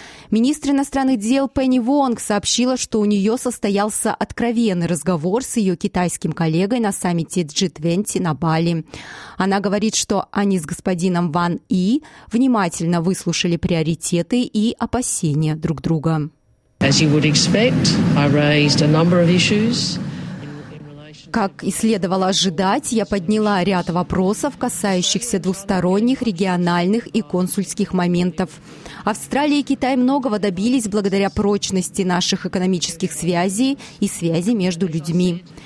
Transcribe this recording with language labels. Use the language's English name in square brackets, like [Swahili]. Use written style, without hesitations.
[Russian] Министр иностранных дел Пенни Вонг сообщила, что у нее состоялся откровенный разговор с ее китайским коллегой на саммите G20 на Бали. Она говорит, что они с господином Ван И внимательно выслушали приоритеты и опасения друг друга. [English] As you would expect, I raised a number of issues. [Russian] Как и следовало ожидать, я подняла ряд вопросов, касающихся двусторонних, региональных и консульских моментов. Австралия и Китай многого добились благодаря прочности наших экономических связей и связи между людьми.